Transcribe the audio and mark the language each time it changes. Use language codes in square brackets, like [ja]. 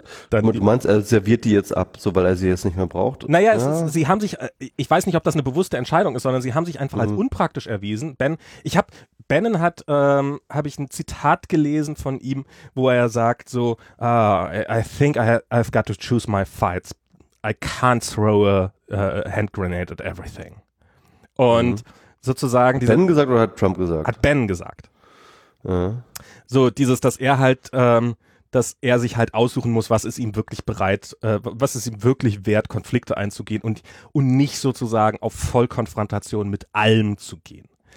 [de] Du meinst, er serviert die jetzt ab, so weil er sie jetzt nicht mehr braucht? Naja, sie haben sich, ich weiß nicht, ob das eine bewusste Entscheidung ist, sondern sie haben sich einfach als unpraktisch erwiesen. Bannon habe ich ein Zitat gelesen von ihm, wo er sagt so, [en] I think I've got to choose my fights. I can't throw a hand grenade at everything. [de] Und sozusagen... Hat Bannon gesagt oder hat Trump gesagt? Hat Bannon gesagt. So dieses, dass er halt... dass er sich halt aussuchen muss, was ist ihm wirklich bereit, was ist ihm wirklich wert, Konflikte einzugehen und nicht sozusagen auf Vollkonfrontation mit allem zu gehen.